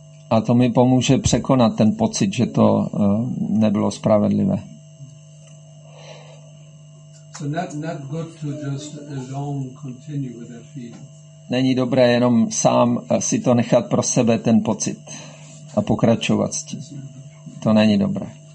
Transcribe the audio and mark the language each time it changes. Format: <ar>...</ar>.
<cs>A to mi pomůže překonat ten pocit, že to nebylo spravedlivé.</cs> <en>So not good to just alone continue with that feeling.</en> <cs>Není dobré jenom sám si to nechat pro sebe ten pocit a pokračovat s tím. To není dobré.</cs>